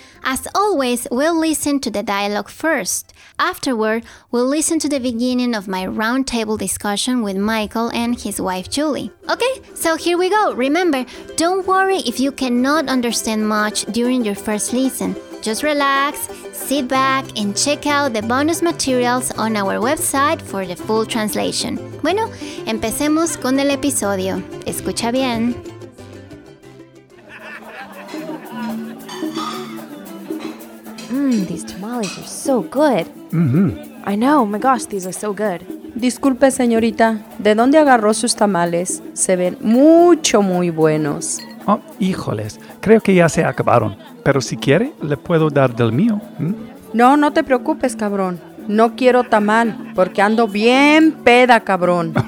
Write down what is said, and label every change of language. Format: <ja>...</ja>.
<en>As always, we'll listen to the dialogue first. Afterward, we'll listen to the beginning of my roundtable discussion with Michael and his wife Julie. Okay, so here we go. Remember, don't worry if you cannot understand much during your first listen. Just relax, sit back, and check out the bonus materials on our website for the full translation.</en> <es>Bueno, empecemos con el episodio. Escucha bien.</es> <en>These tamales are so good. I know, my gosh, these are so good.</en> <es>Disculpe, señorita, ¿de dónde agarró sus tamales? Se ven mucho muy buenos. Oh, híjoles, creo que ya se acabaron. Pero si quiere, le puedo dar del mío. No, no te preocupes, cabrón. No quiero tamal, porque ando bien peda, cabrón.</es>